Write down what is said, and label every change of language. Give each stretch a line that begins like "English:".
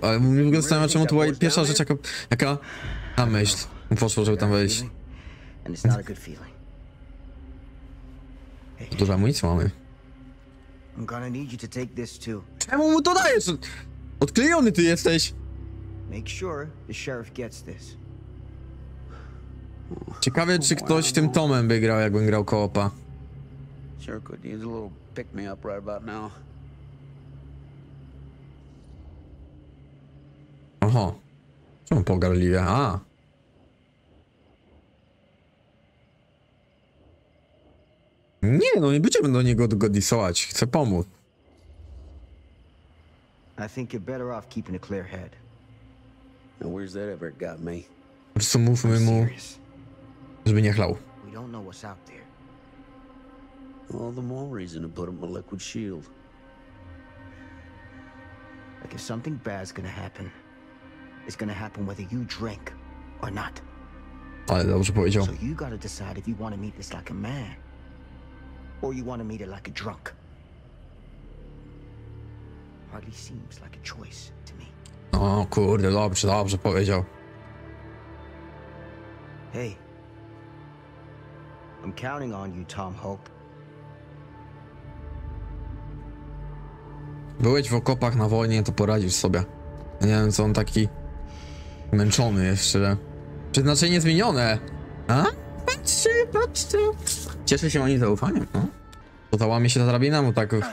Polish: Ale mnie w ogóle zastanawia, czemu to była pierwsza rzecz, jaka ta myśl poszło, żeby tam wejść.
English: And it's not a good feeling.
Polish: Hey, dużo amunicji mamy.
English: I'm gonna need you to take this too.
Polish: Czemu mu to dajesz? Odklejony ty jesteś.
English: Make sure the sheriff gets this.
Polish: Ciekawe, czy ktoś tym Tomem by grał, jakbym grał koopa.
English: Sure could use a little pick me up right about now.
Polish: Oho. Czemu pogardliwie? A. Nie, no nie będziemy do niego dogodisować. Chcę pomóc.
English: I think you're better off keeping a clear head. Now where's that ever got me?
Polish: Po prostu mówmy mu, żeby nie chlał.
English: We don't know what's out there. All the more reason to put him a liquid shield. Like if something bad's gonna happen, it's gonna happen whether you drink or not.
Polish: Ale dobrze powiedział.
English: So you gotta decide if you wanna meet this like a man. Or you want to meet it like a drunk. Hardly seems like a choice to me.
Polish: O kurde, dobrze, dobrze powiedział.
English: Hey. I'm counting on you, Tom Hope.
Polish: Byłeś w okopach na wojnie, to poradzisz sobie. Ja nie wiem, co on taki męczony jeszcze. Przeznaczenie zmienione. A? Patrzcie, patrzcie. Cieszę się moim zaufaniem, no. Bo to łamie się ta drabina, bo tak...